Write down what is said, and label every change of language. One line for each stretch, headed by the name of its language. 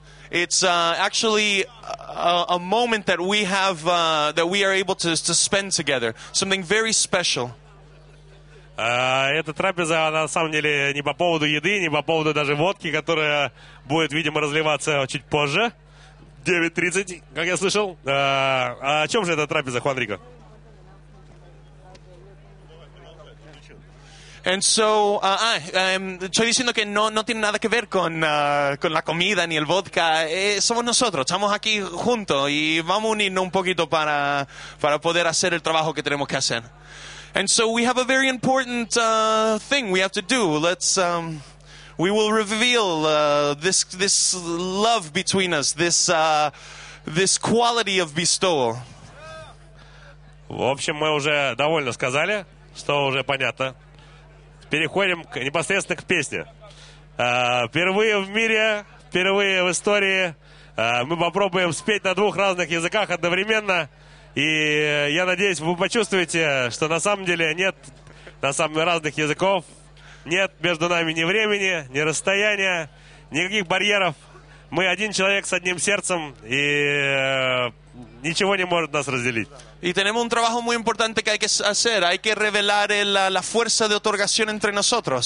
English: It's actually a moment that we have that we are able to spend together. Something very special.
Russian: Эта трапеза, она на самом деле не по поводу еды, не по поводу даже водки, которая будет, видимо, разливаться чуть позже, 9:30, как я слышал. А о чем же эта трапеза, Хуан Рико?
English: And so,
Spanish: estoy diciendo que no tiene nada que ver con la comida ni el vodka. Somos nosotros, estamos aquí juntos y vamos a unirnos un poquito para poder hacer el trabajo que tenemos que hacer.
English: And so we have a very important thing we have to do. We will reveal this love between us, this quality of bestowal.
Russian: В общем, мы уже довольно сказали, что уже понятно. Переходим непосредственно к песне. Впервые в мире, впервые в истории мы попробуем спеть на двух разных языках одновременно. И я надеюсь, вы почувствуете, что на самом деле нет на самых разных языков, нет между нами ни времени, ни расстояния, никаких барьеров. Мы один человек с одним сердцем, и ничего не может нас разделить.
Spanish: Y tenemos un trabajo muy importante que hay que hacer. Hay que revelar la fuerza de otorgación entre nosotros.